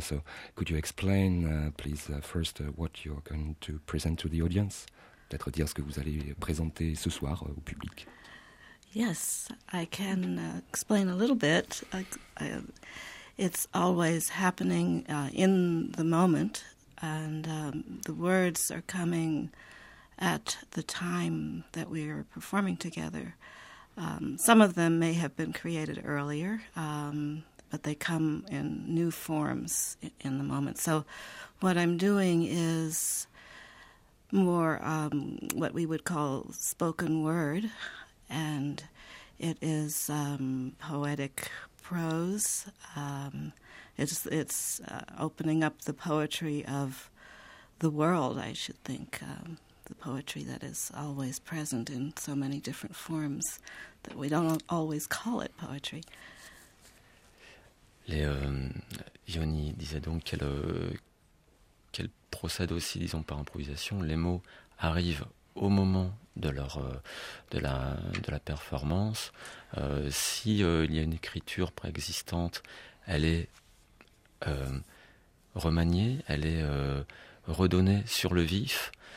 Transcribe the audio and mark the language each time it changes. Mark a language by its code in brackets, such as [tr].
[en] So could you explain, please, first what you're going to present to the audience? [fr] Peut-être dire ce que vous allez présenter ce soir au public. [en] Yes, I can explain a little bit. It's always happening in the moment, and the words are coming at the time that we are performing together. Some of them may have been created earlier, but they come in new forms in the moment. So what I'm doing is more what we would call spoken word, and it is poetic prose. It's opening up the poetry of the world, I should think, the poetry that is always present in so many different forms that we don't always call it poetry. [fr] Ioni disait donc qu'elle procède aussi, disons, par improvisation. Les mots arrivent au moment de la performance. S'il y a une écriture préexistante, elle est remaniée, elle est redonnée sur le vif.